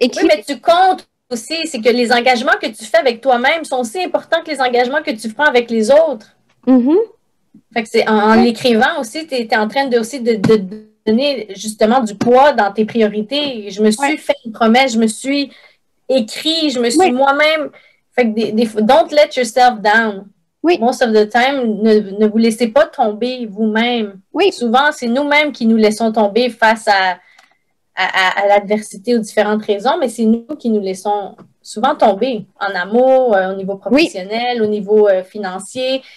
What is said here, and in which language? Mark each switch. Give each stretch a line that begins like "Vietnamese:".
French: oui, mais tu comptes aussi, c'est que les engagements que tu fais avec toi-même sont aussi importants que les engagements que tu prends avec les autres. Mm-hmm. Fait que c'est en l'écrivant aussi, t'es en train de aussi de donner justement du poids dans tes priorités. Je me suis fait une promesse, je me suis écrit, je me suis moi-même. Fait que
English: don't let yourself down.
French: Oui.
English: Most of the time,
French: ne vous laissez pas tomber vous-même. Oui. Souvent, c'est nous-mêmes qui nous laissons tomber face à l'adversité aux différentes raisons, mais c'est nous qui nous laissons souvent tomber en amour, au niveau professionnel, au niveau financier.